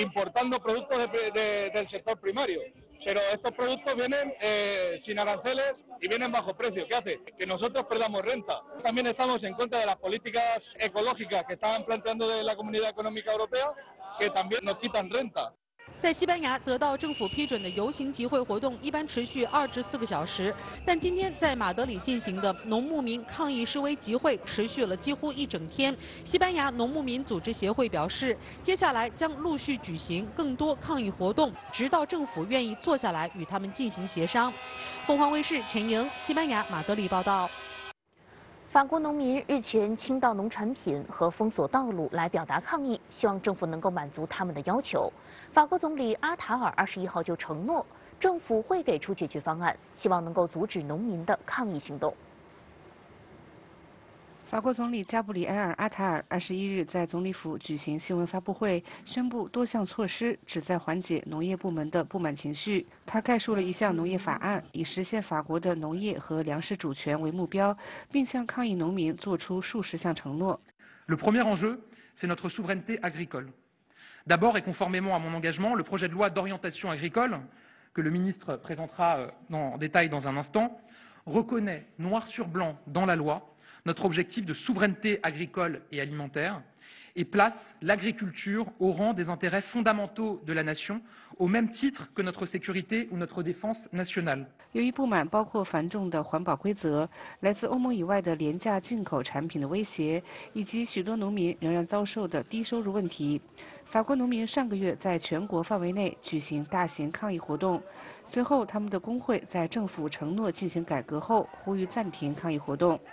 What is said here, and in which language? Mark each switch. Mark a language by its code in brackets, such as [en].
[es] Del sector primario, pero estos productos vienen sin aranceles y vienen bajo precio. ¿Qué hace? Que nosotros perdamos renta. También estamos en contra de las políticas ecológicas que están planteando de la Comunidad Económica Europea, que también nos quitan renta. [zh] 在西班牙得到政府批准的游行集会活动一般持续24个小时，但今天在马德里进行的农牧民抗议示威集会持续了几乎一整天。西班牙农牧民组织协会表示，接下来将陆续举行更多抗议活动，直到政府愿意坐下来与他们进行协商。凤凰卫视陈莹，西班牙马德里报道。法国农民日前倾倒农产品和封锁道路来表达抗议，希望政府能够满足他们的要求。法国总理阿塔尔21号就承诺，政府会给出解决方案，希望能够阻止农民的抗议行动。法国总理加布里埃尔·阿塔尔21日在总理府举行新闻发布会，宣布多项措施旨在缓解农业部门的不满情绪。他概述了一项农业法案，以实现法国的农业和粮食主权为目标，并向抗议农民做出数十项承诺。 [fr] Le premier enjeu, c'est notre souveraineté agricole. D'abord, et conformément à mon engagement, le projet de loi d'orientation agricole, que le ministre présentera en détail dans un instant, reconnaît noir sur blanc dans la loi. Notre objectif de souveraineté agricole et alimentaire et place l'agriculture au rang des intérêts fondamentaux de la nation, au même titre que notre sécurité ou notre défense nationale. [zh] 由于不满包括繁重的环保规则、来自欧盟以外的廉价进口产品的威胁，以及许多农民仍然遭受的低收入问题。法国农民上个月在全国范围内举行大型抗议活动，随后他们的工会在政府承诺进行改革后呼吁暂停抗议活动。